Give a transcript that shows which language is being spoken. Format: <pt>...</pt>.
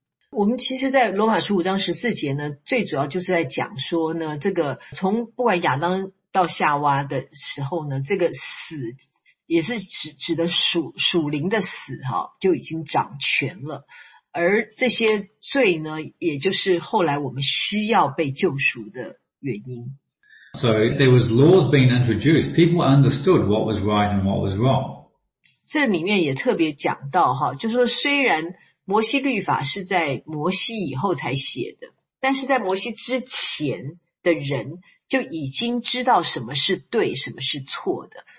<zh>我们其实在罗马书五章十四节呢，最主要就是在讲说呢，这个从不管亚当到夏娃的时候呢，这个死也是指的属灵的死，就已经掌权了，而这些罪呢，也就是后来我们需要被救赎的原因。</zh> <en>So there was laws being introduced. People understood what was right and what was wrong.</en> <zh>这里面也特别讲到，就是说虽然摩西律法是在摩西以后才写的，但是在摩西之前的人就已经知道什么是对，什么是错的。</zh>